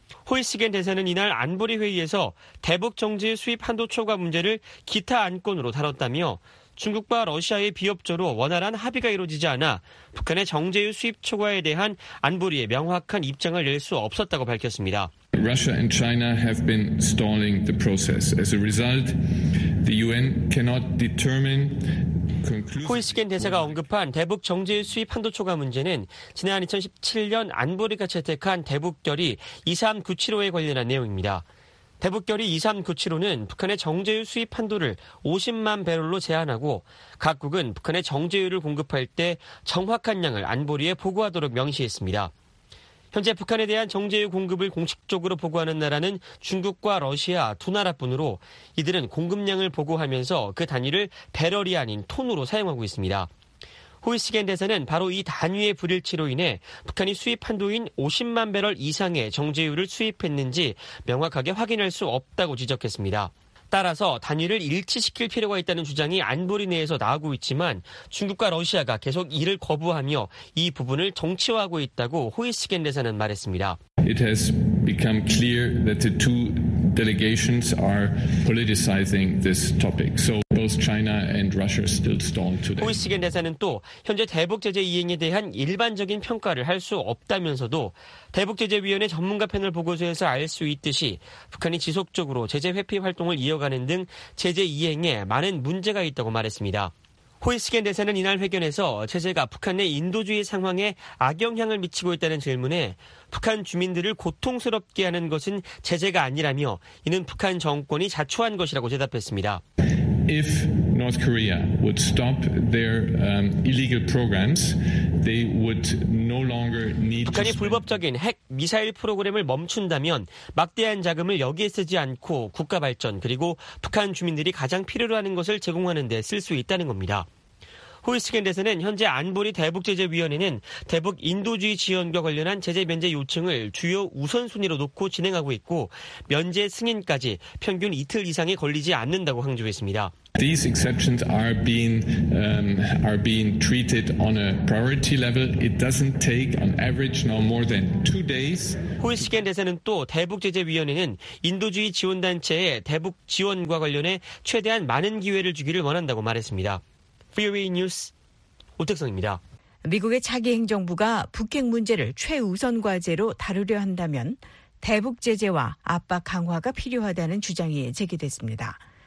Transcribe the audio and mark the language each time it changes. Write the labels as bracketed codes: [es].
[ko] 호이스겐 대사는 이날 안보리 회의에서 대북정제 수입 한도 초과 문제를 기타 안건으로 다뤘다며 중국과 러시아의 비협조로 원활한 합의가 이루어지지 않아 북한의 정제유 수입 초과에 대한 안보리의 명확한 입장을 낼 수 없었다고 밝혔습니다. [en] Russia and China have been stalling the process. As a result, the UN cannot determine conclusive. [ko] 호이스겐 대사가 언급한 대북 정제유 수입 한도 초과 문제는 지난 2017년 안보리가 채택한 대북결의 23975에 관련한 내용입니다. 대북결의 23975는 북한의 정제유 수입 한도를 50만 배럴로 제한하고 각국은 북한의 정제유를 공급할 때 정확한 양을 안보리에 보고하도록 명시했습니다. 현재 북한에 대한 정제유 공급을 공식적으로 보고하는 나라는 중국과 러시아 두 나라뿐으로 이들은 공급량을 보고하면서 그 단위를 배럴이 아닌 톤으로 사용하고 있습니다. 호이스겐 대사는 바로 이 단위의 불일치로 인해 북한이 수입 한도인 50만 배럴 이상의 정제유를 수입했는지 명확하게 확인할 수 없다고 지적했습니다. 따라서 단위를 일치시킬 필요가 있다는 주장이 안보리 내에서 나오고 있지만 중국과 러시아가 계속 이를 거부하며 이 부분을 정치화하고 있다고 호이스겐 대사는 말했습니다. [en] It has become clear that the two delegations are politicizing this topic. So both China and Russia still stalling today. [ko] 호이스겐 대사는 또 현재 대북 제재 이행에 대한 일반적인 평가를 할 수 없다면서도 대북 제재 위원회 전문가 패널 보고서에서 알 수 있듯이 북한이 지속적으로 제재 회피 활동을 이어가는 등 제재 이행에 많은 문제가 있다고 말했습니다. 호이스겐 대사는 이날 회견에서 제재가 북한 내 인도주의 상황에 악영향을 미치고 있다는 질문에 북한 주민들을 고통스럽게 하는 것은 제재가 아니라며 이는 북한 정권이 자초한 것이라고 대답했습니다. [en] If North Korea would stop their illegal programs, they would no longer need. [ko] 북한이 불법적인 핵 미사일 프로그램을 멈춘다면 막대한 자금을 여기에 쓰지 않고 국가 발전 그리고 북한 주민들이 가장 필요로 하는 것을 제공하는 데 쓸 수 있다는 겁니다. 호이스켄 대사는 현재 안보리 대북제재위원회는 대북 인도주의 지원과 관련한 제재 면제 요청을 주요 우선순위로 놓고 진행하고 있고 면제 승인까지 평균 이틀 이상이 걸리지 않는다고 강조했습니다. [en] These exceptions are being treated on a priority level. It doesn't take on average no more than 2 days. [ko] 호이스켄 대사는 또 대북제재위원회는 인도주의 지원단체의 대북 지원과 관련해 최대한 많은 기회를 주기를 원한다고 말했습니다. VOA 뉴스 오택성입니다. 미국의 차기 행정부가 북핵 문제를 최우선 과제로 다루려 한다면 대북 제재와 압박 강화가 필요하다는 주장이 제기됐습니다.